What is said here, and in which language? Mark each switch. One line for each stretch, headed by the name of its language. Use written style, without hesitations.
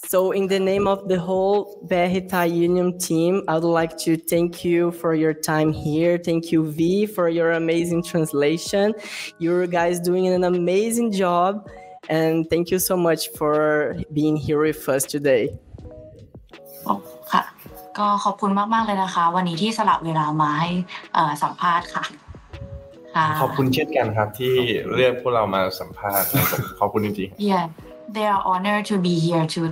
English: So, in the name of the whole BR Thai Union team, I would like to thank you for your time here. Thank you, V, for your amazing translation. You guys doing an amazing job. and thank you so much for being here with us today.
Thai: ค่ะก็ขอบคุณมากๆเลยนะคะวันนี้ที่สละเวลามาให้สัมภาษณ์ค่ะ ขอบคุณเช่นกันครับที่เรียกพวกเรามาสัมภาษณ์ขอบคุณจริง
English: ๆ Yeah, they are honored to be here too.